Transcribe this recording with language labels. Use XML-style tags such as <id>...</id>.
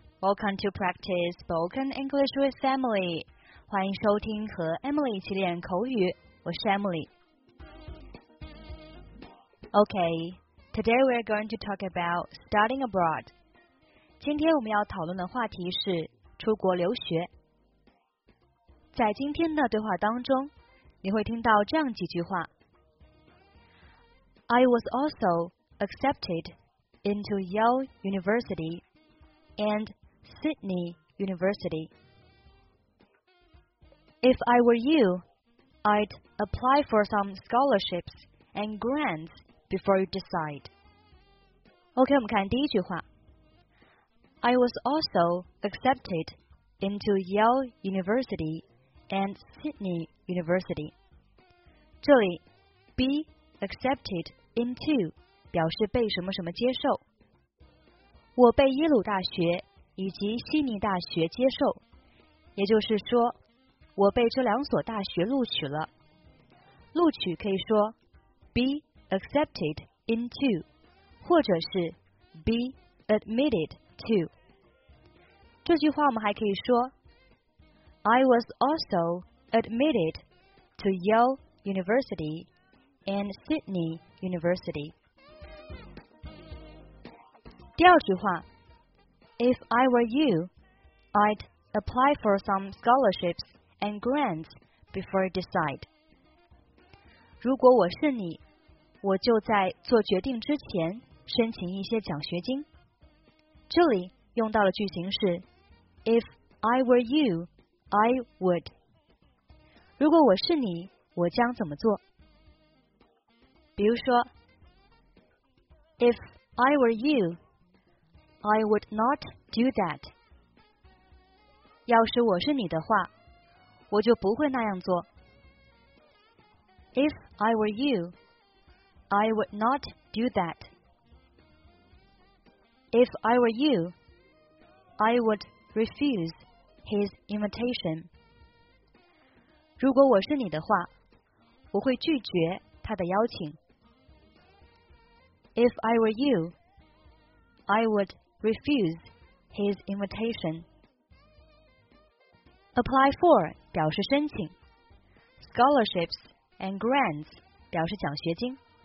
<en>Welcome to practice spoken English with Emily.</en> <zh>欢迎收听和 Emily 一起练口语。我是 Emily.</zh> <en>Okay, today we're going to talk about studying abroad.</en> <zh>今天我们要讨论的话题是出国留学。在今天的对话当中，你会听到这样几句话。</zh> <en>I was also accepted into Yale University and Sydney University. If I were you, I'd apply for some scholarships and grants before you decide.</en> <zh>OK, 我们看第一句话。</zh> <en>I was also accepted into Yale University and Sydney University.</en> <zh>这里</zh> <en>be accepted into</en> <zh>表示被什么什么接受。我被耶鲁大学以及悉尼大学接受，也就是说，我被这两所大学录取了。录取可以说</zh> <en>be accepted into，</en> <zh>或者是</zh> <en>be admitted to。</en> <zh>这句话我们还可以说</zh> <en>I was also admitted to Yale University and Sydney University。</en> <zh>第二句话</zh> <en>If I were you, I'd apply for some scholarships and grants before decide.</en> <zh>如果我是你，我就在做决定之前申请一些奖学金。这里用到的句型是</zh> <en>If I were you, I would.</en> <zh>如果我是你，我将怎么做？比如说</zh> <en>If I were you,I would not do that.</en> <zh>要是我是你的话，我就不会那样做。</zh> <en>If I were you, I would not do that. If I were you, I would refuse his invitation.</en> <zh>如果我是你的话，我会拒绝他的邀请。</zh> <en>If I were you, I would refuse his invitation. Apply for</en> <zh>表示申请，</zh> <en>scholarships and grants</en> <zh>表示奖学金。</zh>